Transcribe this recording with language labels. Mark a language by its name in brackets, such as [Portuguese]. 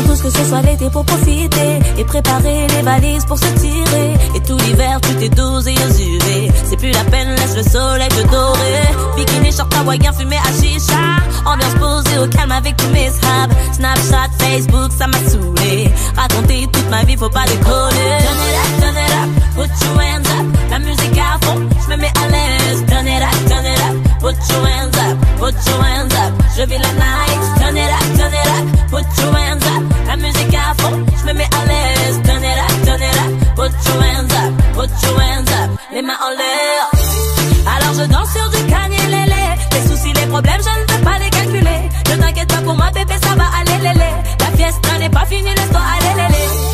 [French] Ce soir l'été pour profiter et préparer les valises pour se tirer. Et tout l'hiver tu t'es dosé aux UV. C'est plus la peine, laisse le soleil te dorer. Bikini, short hawaïen, fumé à chicha. Ambiance posée au calme avec tous mes habs. Snapchat, Facebook, ça m'a saoulé. Raconter toute ma vie, faut pas décoller. [English] Turn it up, put your hands up. [French] La musique à fond, je me mets à l'aise. [English] Turn it up, put your hands up. Put your hands up, [French] je vis la night. [English] Turn it up, put your hands up. [French] La musique à fond, je me mets à l'aise. [English] Turn it up, put your hands up, [French] les mains en l'air. Alors je danse sur du Kanye Lele. Les soucis, les problèmes, je ne peux pas les calculer. Ne t'inquiète pas pour moi, bébé, ça va aller lélé. La fiesta n'est pas finie, laisse-toi aller lélé.